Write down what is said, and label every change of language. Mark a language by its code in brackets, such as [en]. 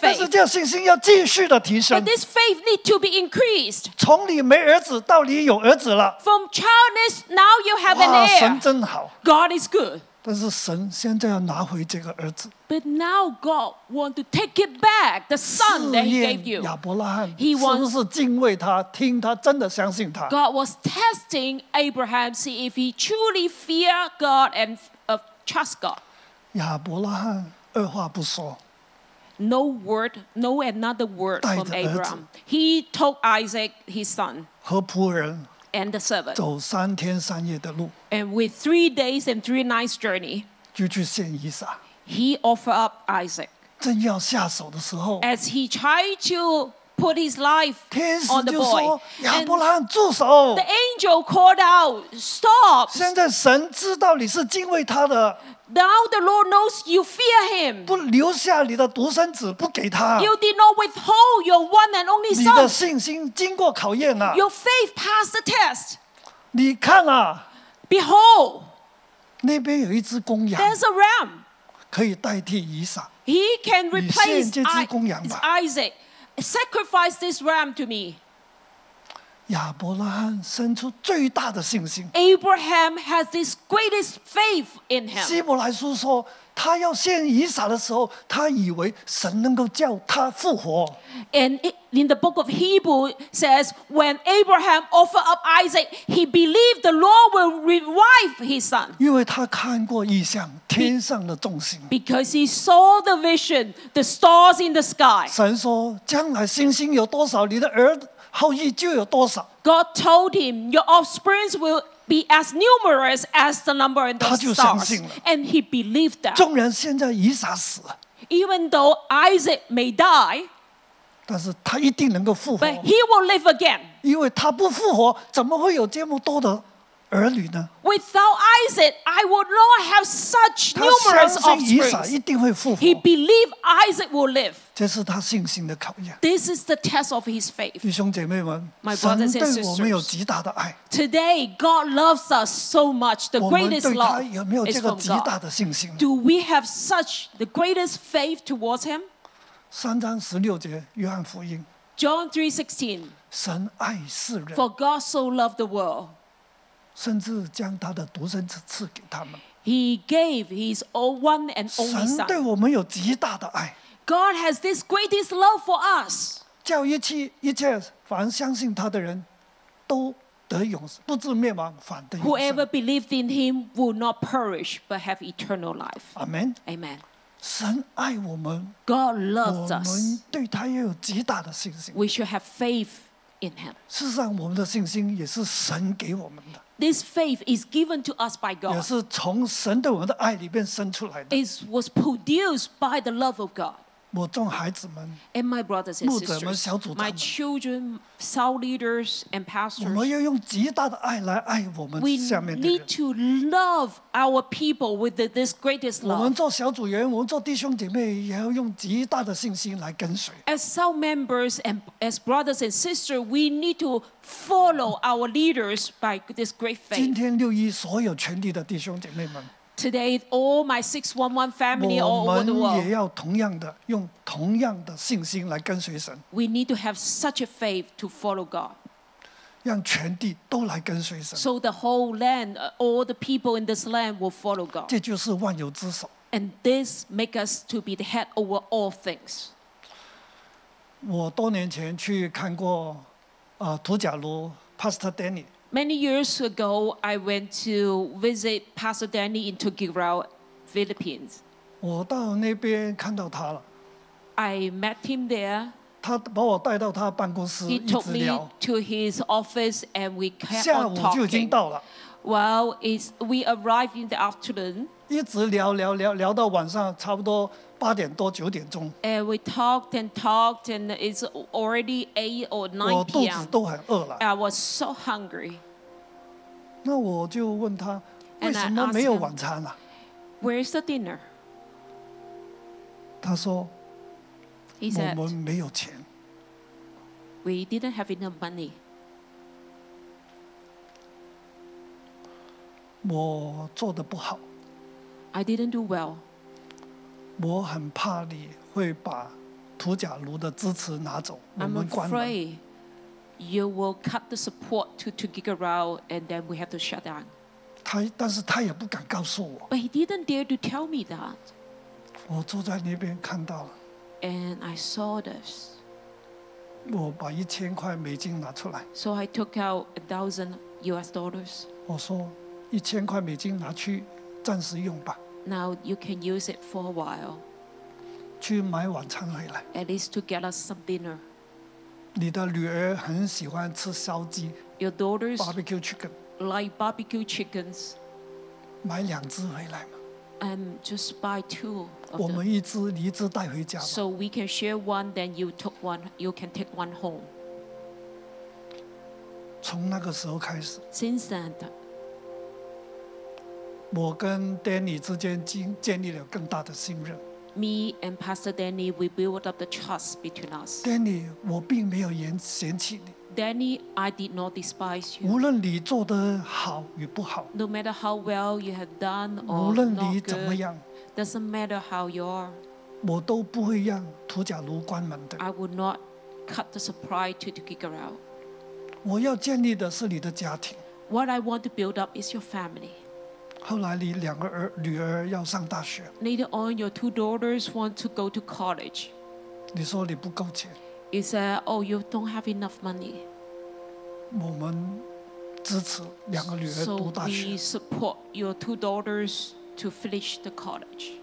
[zh] 但是这信心要继续的提升。 [en] But this faith need to be increased. [zh] 从你没儿子到你有儿子了。 [en] From childless now you have an heir. [zh] 哇，神真好。 [en] God is good. [zh] 但是神现在要拿回这个儿子。 [en] But now God want to take it back the son that he gave you. [zh] 试验亚伯拉罕是不是敬畏他，听他，真的相信他。 [en] God was testing Abraham, see if he truly fear God and trust God. [zh] 亚伯拉罕二话不说。 [en] No word, no another word from Abraham. He took Isaac, his son. [zh] 和仆人。 [en] And the servant. [zh] 走三天三夜的路。 [en] And with 3 days and 3 nights journey. [zh] 就去献以撒。 [en] He offered up Isaac. [zh] 正要下手的时候， [en] as he tried to put his life on the boy, [zh] 天使就说：“亚伯拉罕，住手！” [en] The angel called out, "Stop!" [zh] 现在神知道你是敬畏他的。 [en] Now the Lord knows you fear him. [zh] 不留下你的独生子不给他。 [en] You did not withhold your one and only son. [zh] 你的信心经过考验了。 [en] Your faith passed the test. [zh] 你看啊 [en] ，Behold, [zh] 那边有一只公羊。 [en] There's a ram. [zh] 可以代替以撒。 [en] He can replace [zh] 你献这只公羊吧。 [en] Isaac, sacrifice this ram to me. [zh] 亚伯拉罕生出最大的信心。 [en] Abraham has this greatest faith in him. [zh] 希伯来书说，他要献以撒的时候，他以为神能够叫他复活。 [en] And in the book of Hebrew says, when Abraham offered up Isaac, he believed the Lord will revive his son. [zh] 因为他看过异象，天上的众星。 [en] Because he saw the vision, the stars in the sky. [zh] 神说，将来星星有多少，你的儿后裔就有多少。 [en] God told him, your offsprings will be as numerous as the number in the stars. And he believed that. [zh] 纵然现在以撒死了, [en] even though Isaac may die, [zh] 但是他一定能够复活, [en] but he will live again. [zh] 因为他不复活, 怎么会有这么多的儿女呢? [en] Without Isaac, I would not have such numerous offsprings. [zh] 他相信以撒一定会复活, [en] he believed Isaac will live. [zh] 这是他信心的考验。 [en] This is the test of his faith. [zh] 弟兄姐妹们，神对我们有极大的爱。 [en] Today, God loves us so much. The greatest love is from God. [zh] 我们对他有没有这个极大的信心？ [en] Do we have such the greatest faith towards him? [zh] 三章十六节，约翰福音。 [en] John 3:16. [zh] 神爱世人。 [en] For God so loved the world. [zh] 甚至将他的独生子赐给他们。 [en] He gave his one and only son. [zh] 神对我们有极大的爱。 [en] God has this greatest love for us. [zh] 叫一切凡相信他的人都得永生，不至灭亡，反得永生。 [en] Whoever believed in him will not perish, but have eternal life. Amen. Amen. [zh] 神爱我们。 [en] God loves us. [zh] 我们对他也有极大的信心。 [en] We should have faith in him. [zh] 事实上，我们的信心也是神给我们的。 [en] This faith is given to us by God. [zh] 也是从神对我们的爱里面生出来的。 [en] It was produced by the love of God. [zh] 我众孩子们 [en] and my brothers and sisters, [zh] 牧者们小组长们 [en] my children, cell leaders and pastors, [zh] 我们要用极大的爱来爱我们下面的人 [en] we need to love our people with this greatest love [zh] 我们做小组员我们做弟兄姐妹也要用极大的信心来跟随 [en] as cell members and as brothers and sisters we need to follow our leaders by this great faith [zh] 今天六一所有全体的弟兄姐妹们 [en] Today, all my 611 family all over the world. [zh] 我们也要同样的用同样的信心来跟随神。 [en] We need to have such a faith to follow God. [zh] 让全地都来跟随神。 [en] So the whole land, all the people in this land will follow God. [zh] 这就是万有之首。 [en] And this makes us to be the head over all things. [zh] 我多年前去看过，图贾卢 Pastor Danny. [en] Many years ago, I went to visit Pastor Danny in Tugiraw, Philippines. [zh] 我到那边看到他了。 [en] I met him there. [zh] 他把我带到他办公室一直聊。 [en] He took me to his office and we kept on talking. [zh] 下午就已经到了。 [en] Well, we arrived in the afternoon. [zh] 一直聊聊聊聊到晚上差不多八点多九点钟。 [en] And we talked and talked, and it's already 8 or 9 p.m. [zh] 我肚子都很饿了。 [en] I was so hungry. [zh] 那我就问他，为什么没有晚餐啊？ [en] Where's the dinner? [zh] 他说， [en] He said, [zh] 我们没有钱。 [en] We didn't have enough money. [zh] 我做得不好。 [en] I didn't do well. [zh] 我很怕你会把图贾卢的支持拿走。 [en] I'm afraid you will cut the support to Tugiraw and then we have to shut down. [zh] 但是他也不敢告诉我。 [en] But he didn't dare to tell me that. [zh] 我坐在那边看到了。 [en] And I saw this. [zh] 我把1000块美金拿出来。 [en] So I took out $1,000. [zh] 我说1000块美金拿去暂时用吧。 [en] Now you can use it for a while. [zh] 去买晚餐回来。 [en] At least to get us some dinner. [zh] 你的女儿很喜欢吃烧鸡。 [en] Your daughters barbecue chicken. Like barbecue chickens. [zh] 买2只回来嘛。 [en] And just buy 2. [zh] 我们一只，你一只带回家。 [en] So we can share one. Then you took one. You can take one home. [zh] 从那个时候开始。 [en] Since then. [zh] 我跟 Danny 之间建立了更大的信任。 [en] Me and Pastor Danny, we built up the trust between us. [zh] Danny, 我并没有嫌弃你。 [en] Danny, I did not despise you. [zh] 无论你做得好与不好。 [en] No matter how well you have done or not good. [zh] 无论你怎么样。 [en] Doesn't matter how you are. [zh] 我都不会让图贾卢关门的。 [en] I would not cut the supply to Tugiraw. [zh] 我要建立的是你的家庭。 [en] What I want to build up is your family. [zh] 后来你两个儿女儿要上大学。 [en] Later on, your two daughters want to go to college. [zh] 你说你不够钱。 [en] He said, "Oh, you don't have enough money." [zh] 我们支持两个女儿读大学。 [en] So we support your two daughters to finish the college.